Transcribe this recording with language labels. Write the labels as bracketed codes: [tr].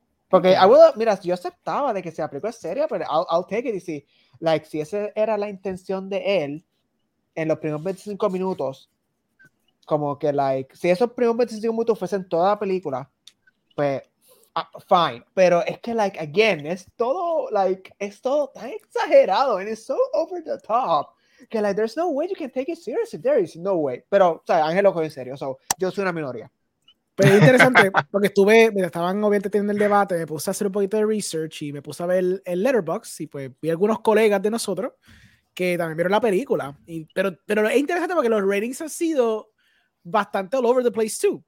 [es] Porque, mira, yo aceptaba de que si la película es seria, pero [en] I'll take it, [es] y si, like, si esa era la intención de él, en los primeros 25 minutos, como que, like, si esos primeros 25 minutos fuesen toda la película, pues, fine. Pero es que, [en] like, again, [es] es todo, like, es todo tan exagerado, [en] and it's so over the top, que, like, there's no way you can take it seriously, there is no way. [es] Pero, o sea, Ángel lo coge en serio, so, yo soy una minoría. Pero es interesante, porque estuve, mira, estaban obviamente teniendo el debate, me puse a hacer un poquito de research y me puse a ver el Letterboxd, y pues vi algunos colegas de nosotros que también vieron la película. Y, pero es interesante porque los ratings han sido bastante [en] all over the place too.